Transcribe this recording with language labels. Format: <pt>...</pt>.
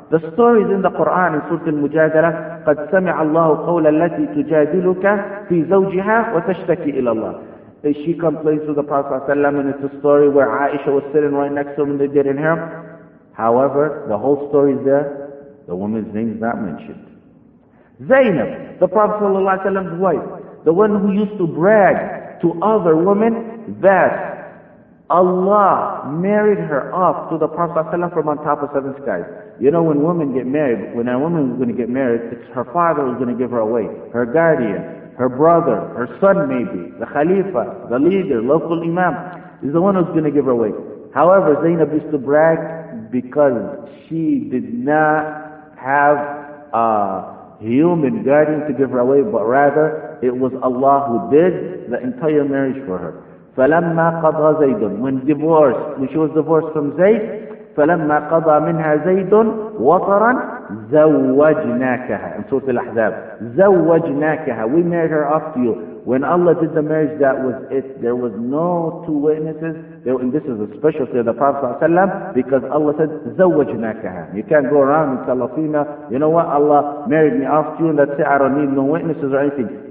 <en>The story is in the Quran in Surah Al-Mujadalah,</en> <ar>قَدْ سَمِعَ اللَّهُ قَوْلَ الَّتِي تُجَادِلُكَ فِي زَوْجِهَا وَتَشْتَكِي إِلَى اللَّهِ.</ar> <en>She complains to the Prophet ﷺ, and it's a story where Aisha was sitting right next to him and they didn't hear him. However, the whole story is there. The woman's name is not mentioned. Zainab, the Prophet's wife, the one who used to brag to other women that Allah married her off to the Prophet from on top of seven skies. You know, when a woman is going to get married, it's her father who's going to give her away, her guardian, her brother, her son maybe, the Khalifa, the leader, local imam, is the one who's going to give her away. However, Zainab used to brag because she did not have a human guardian to give her away, but rather it was Allah who did the entire marriage for her.</en> <ar>فَلَمَّا قَضَى زَيْدٌ</ar> <en>When she was divorced from Zayd,</en> <ar>فَلَمَّا قَضَى مِنْهَا زَيْدٌ وَطَرًا زَوَّجْنَاكَهَا.</ar> <en>In Surah Al-Ahzab, زَوَّجْنَاكَهَا, we married her off to you. When Allah did the marriage, that was it. There was no two witnesses. And this is a special thing of the Prophet ﷺ, because Allah said, زَوَّجْنَاكَهَا. You can't go around and tell a female, you know what, Allah married me off to you, and that's it, I don't need no witnesses or anything.</en>